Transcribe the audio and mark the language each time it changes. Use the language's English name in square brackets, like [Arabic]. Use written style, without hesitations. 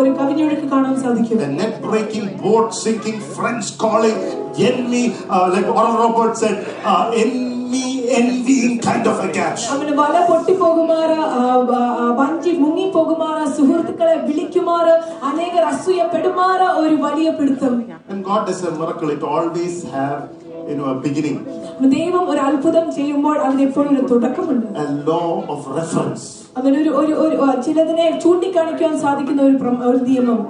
[English] A net breaking, boat sinking, friends calling, envy, like Oral Roberts said, envy, envying kind of a catch. [Malayalam] അവനെ വല പൊട്ടി പോകുമാറ വഞ്ചി മുങ്ങി പോകുമാറ സുഹൃത്തുക്കളെ വിളിക്കുമാറ അനേകർ അസൂയപ്പെടുമാറ ഒരു വലിയ പിടുത്തം. [English] And God does a miracle. It always have, you know, a beginning. [Malayalam] ദൈവം ഒരു അത്ഭുതം ചെയ്യുമ്പോൾ അതിന് എപ്പോഴും ഒരു തുടക്കമുണ്ട്. [English] A law of reference. [Malayalam] അങ്ങനെ ഒരു ഒരു ഒരു ചിലതിനെ ചൂണ്ടിക്കാണിക്കാൻ സാധിക്കുന്ന ഒരു നിയമം.